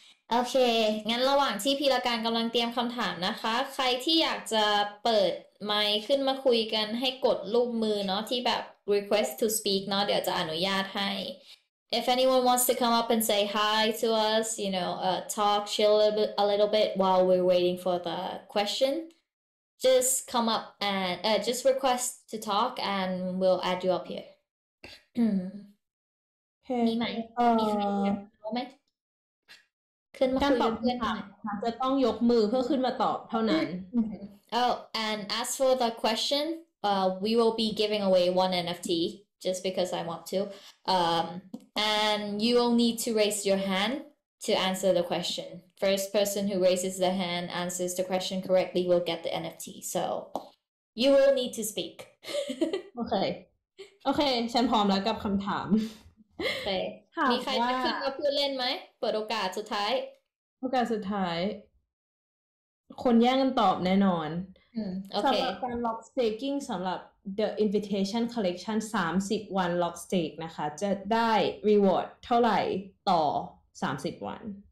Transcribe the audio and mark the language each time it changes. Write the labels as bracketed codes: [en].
[th] โอเคงั้นระหว่างที่พีรการกำลังเตรียมคำถามนะคะใครที่อยากจะเปิดไมค์ขึ้นมาคุยกันให้กดรูปมือเนาะที่แบบ [en] request to speak [th] เนาะเดี๋ยวจะอนุญาตให้ [en] if anyone wants to come up and say hi to us you know talk chill a little bit while we're waiting for the question just come up and just request to talk and we'll add you up here [th] มีไหมมีใครมั้ย การตอบคำถามจะต้องยกมือเพื่อขึ้นมาตอบเท่านั้น [en] Oh, and as for the question, we will be giving away one NFT just because I want to. And you will need to raise your hand to answer the question. First person who raises their hand answers the question correctly will get the NFT. So you will need to speak. [th] โอเคฉันพร้อมแล้วกับคำถาม โอเค มีใครจะขึ้นมาพูดเล่นไหมเปิดโอกาสสุดท้าย โอกาสสุดท้ายคนแย่งกันตอบแน่นอน โอเค สำหรับการล็อกสเต็กกิ้งสำหรับ the invitation collection 30วันล็อกสเต็กนะคะจะได้รีวอร์ดเท่าไหร่ต่อ30วัน